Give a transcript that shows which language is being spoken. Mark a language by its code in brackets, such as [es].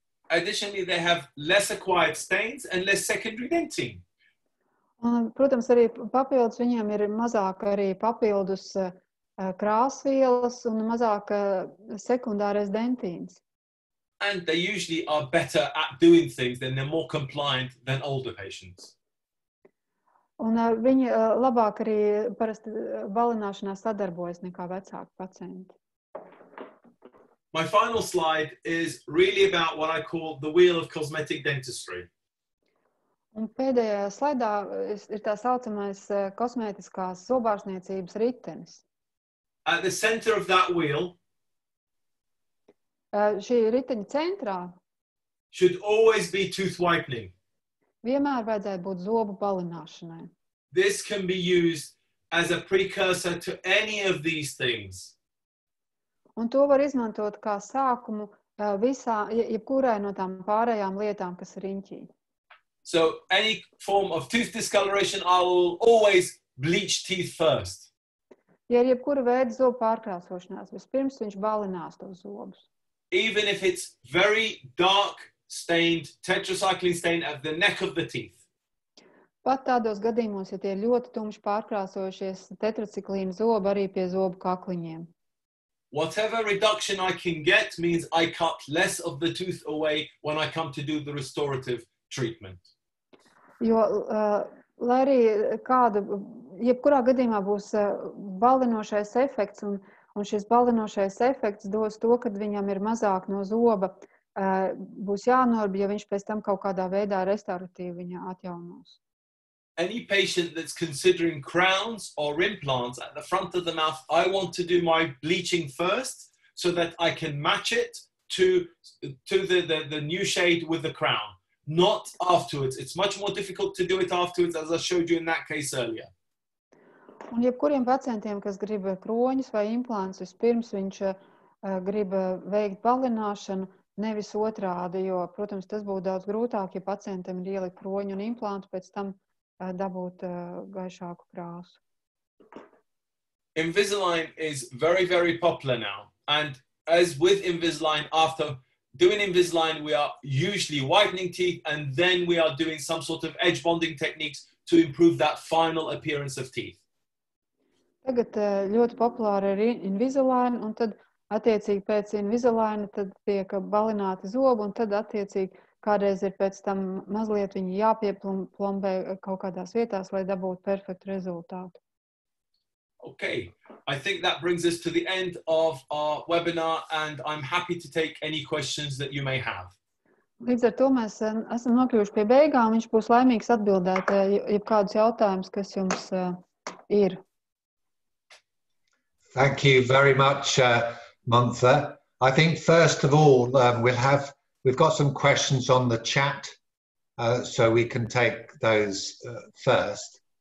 [en] Additionally, they have less acquired stains and less secondary denting. [lv] Un, protams, arī papildus viņiem ir mazāk arī papildus krāsvielas un mazāk sekundārais dentīns. [en] And they usually are better at doing things than they're more compliant than older patients. [lv] Un viņi labāk arī parasti balināšanā sadarbojas nekā vecāki pacienti. [en] My final slide is really about what I call the wheel of cosmetic dentistry. [lv] Un pēdējā slaidā ir tā saucamais kosmētiskās zobārstniecības ritenis. [en] At the center of that wheel, [lv] šī riteņa centrā [en] should always be tooth whitening. [lv] Vienmēr vajadzētu būt zobu balināšanai. [en] This can be used as a precursor to any of these things. [lv] Un to var izmantot kā sākumu visā, jebkurai no tām pārējām lietām, kas ir riņķī. [en] So any form of tooth discoloration, I will always bleach teeth first. [lv] Ja ir jebkura veida zobu pārkrāsošanās, vispirms viņš balinās tos zobus. [en] Even if it's very dark stained tetracycline stain at the neck of the teeth. [lv] Pat tādos gadījumos, ja tie ir ļoti tumši pārkrāsojušies tetraciklīna zobi arī pie zobu kakliņiem. [en] Whatever reduction I can get means I cut less of the tooth away when I come to do the restorative treatment. [lv] Jo, lai arī kāda, jebkurā gadījumā būs balinošais efekts, un šis balinošais efekts dos to, kad viņam ir mazāk no zoba, būs jānorb, ja viņš pēc tam kaut kādā veidā restauratīvi viņa atjaunos. [en] Any patient that's considering crowns or implants at the front of the mouth, I want to do my bleaching first so that I can match it to the new shade with the crown, not afterwards. It's much more difficult to do it afterwards, as I showed you in that case earlier. [lv] Un jebkuriem pacientiem, kas grib kroņus vai implants, vispirms viņš grib veikt balināšanu, nevis otrādi, jo, protams, tas būtu daudz grūtāk, ja pacientam ir ielikt kroņu un implantu, pēc tam dabūt gaišāku krāsu. [en] Invisalign is very, very popular now. And as with Invisalign, after doing Invisalign, we are usually whitening teeth and then we are doing some sort of edge bonding techniques to improve that final appearance of teeth. [lv] Tagad ļoti populāra ir Invisalign, un tad attiecīgi pēc Invisalign tad tiek balināti zobi, un tad attiecīgi kādreiz ir pēc tam mazliet viņi jāpieplombē kaut kādās vietās, lai dabūtu perfektu rezultātu. [en] Okay, I think that brings us to the end of our webinar, and I'm happy to take any questions that you may have. [lv] Līdz ar to mēs esam nokļuvuši pie beigām, viņš būs laimīgs atbildēt jebkādus jautājumus, kas jums ir. [en] Thank you very much, Munther. I think first of all, we've got some questions on the chat, so we can take those first.